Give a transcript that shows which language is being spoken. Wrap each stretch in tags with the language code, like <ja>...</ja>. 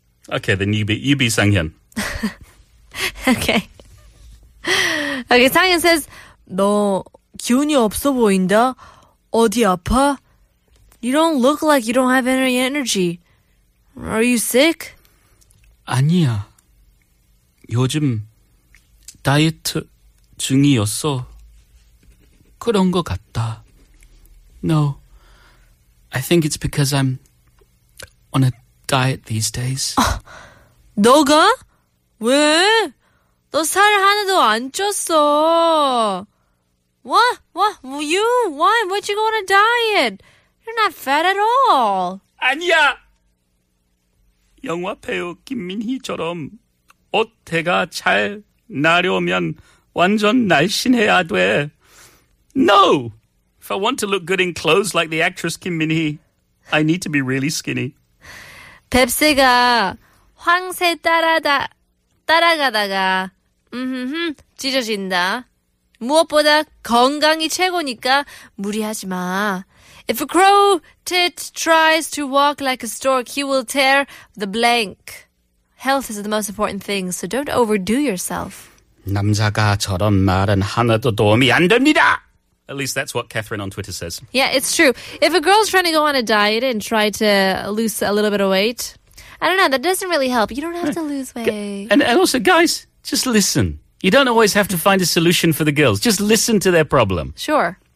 <en>Okay, then you be Sang-hyun. Okay, Sang-hyun says,</en> <ko>너 기운이 없어 보인다. 어디 아파?</ko> <en>You don't look like you don't have any energy. Are you sick?</en> <ko>아니야. 요즘 다이어트 중이었어. 그런 것 같다.</ko> <en>No, I think it's because I'm on a diet these days.</en> <ko>너가? 왜? 너 살 하나도 안 쪘어.</ko> <en>What? You? Why? Why'd you go on a diet? You're not fat at all.</en> <ko>아니야. 영화 배우 김민희처럼 어태가 잘 나려면 완전 날씬해야 돼.</ko> <en>No! If I want to look good in clothes like the actress Kim Min-hee, I need to be really skinny.</en> <ko>뱁새가 황새 따라가다가 찢어진다. 무엇보다 건강이 최고니까 무리하지 마.</ko> <en>If a crow tit tries to walk like a stork, he will tear the blank. Health is the most important thing, so don't overdo yourself.</en> <ko>남자가 저런 말은 하나도 도움이 안 됩니다.</ko> <en>At least that's what Catherine on Twitter says. Yeah, it's true. If a girl's trying to go on a diet and try to lose a little bit of weight, I don't know, that doesn't really help. You don't have to lose weight. And also, guys, just listen. You don't always have to find a solution for the girls. Just listen to their problem. Sure.</en>